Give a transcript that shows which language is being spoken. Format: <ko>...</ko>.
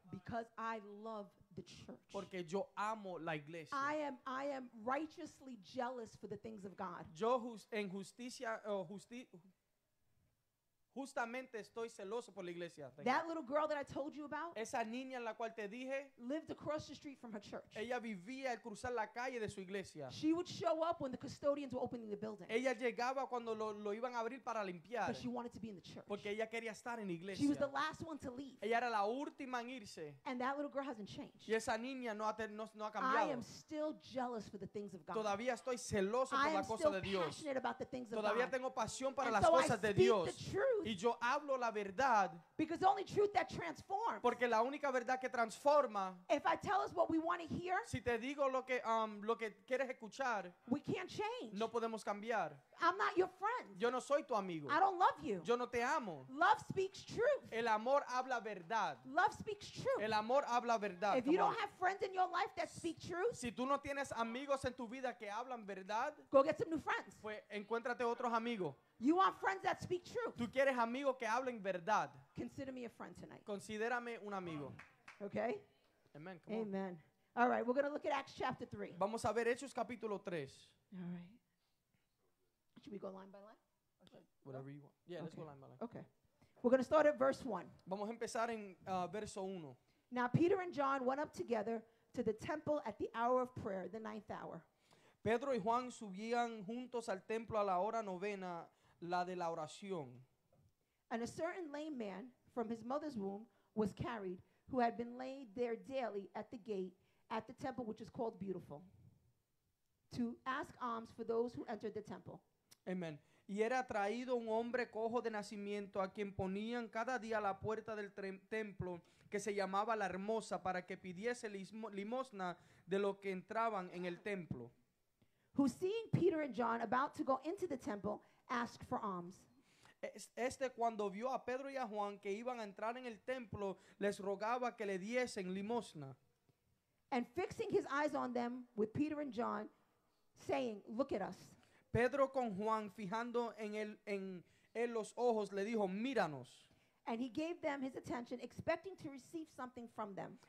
<en>because I love the church.</en> <es>Porque yo amo la iglesia.</es> <en>I am righteously jealous for the things of God.</en> <es>Yo en justicia justamente estoy celoso por la iglesia.</es> <en>That little girl that I told you about.</en> <es>Esa niña en la cual te dije.</es> <en>Lived across the street from her church.</en> <es>Ella vivía al cruzar la calle de su iglesia.</es> <en>She would show up when the custodians were opening the building.</en> <es>Ella llegaba cuando lo iban a abrir para limpiar.</es> <en>But she wanted to be in the church.</en> <es>Porque ella quería estar en la iglesia.</es> <en>She was the last one to leave.</en> <es>Ella era la última en irse.</es> <en>And that little girl hasn't changed.</en> <es>Y esa niña no ha cambiado.</es> <en>I am still jealous for the things of God.</en> <es>Todavía estoy celoso por las cosas de Dios.</es> <en>I am still passionate about the things of</en> <es>todavía</es> <en>God.</en> <es>Tengo pasión para</es> <en>and</en> <es>las</es> <en>so</en> <es>cosas</es> <en>I speak</en> <es>de Dios.</es> <en>The truth. truth.</en> <es>Y yo hablo la verdad.</es> <en>Because the only truth that transforms.</en> <es>Porque la única verdad que transforma.</es> <en>If I tell us what we want to hear.</en> <es>Si te digo lo que quieres escuchar.</es> <en>We can't change.</en> <es>No podemos cambiar.</es> <en>I'm not your friend.</en> <es>Yo no soy tu amigo.</es> <en>I don't love you.</en> <es>Yo no te amo.</es> <en>Love speaks truth.</en> <es>El amor habla verdad.</es> <en>Love speaks truth.</en> <es>El amor habla verdad.</es> <en>If you don't have friends in your life that speak truth.</en> <es>Si tú no tienes amigos en tu vida que hablan verdad.</es> <en>Go get some new friends.</en> <es>Pues encuéntrate otros amigos.</es> <en>You want friends that speak truth.</en> <es>Tú quieres amigos que hablen verdad.</es> <en>Consider me a friend tonight.</en> <es>Considérame un amigo.</es> <en>Okay. Amen. Come on. Amen. All right, we're going to look at Acts chapter 3.</en> <es>Vamos a ver Hechos capítulo 3.</es> <en>All right. Should we go line by line? Okay. Whatever you want. Yeah, okay. Let's go line by line. Okay. We're going to start at verse 1.</en> <es>Vamos a empezar en verso 1.</es> <en>Now Peter and John went up together to the temple at the hour of prayer, the ninth hour.</en> <es>Pedro y Juan subían juntos al templo a la hora novena, la de la oración.</es> <en>And a certain lame man from his mother's womb was carried, who had been laid there daily at the gate at the temple, which is called Beautiful, to ask alms for those who entered the temple. Amen.</en> <es>Y era traído un hombre cojo de nacimiento a quien ponían cada día a la puerta del templo, que se llamaba La Hermosa, para que pidiese limosna de los que entraban en el templo.</es> <en>Who, seeing Peter and John about to go into the temple, asked for alms.</en> <es>Este, cuando vio a Pedro y a Juan que iban a entrar en el templo, les rogaba que le diesen limosna.</es> <en>And fixing his eyes on them with Peter and John, saying, "Look at us."</en> <es>Pedro con Juan, fijando en él los ojos, le dijo, míranos.</es> <en>And he gave them his attention, expecting to receive something from them.</en>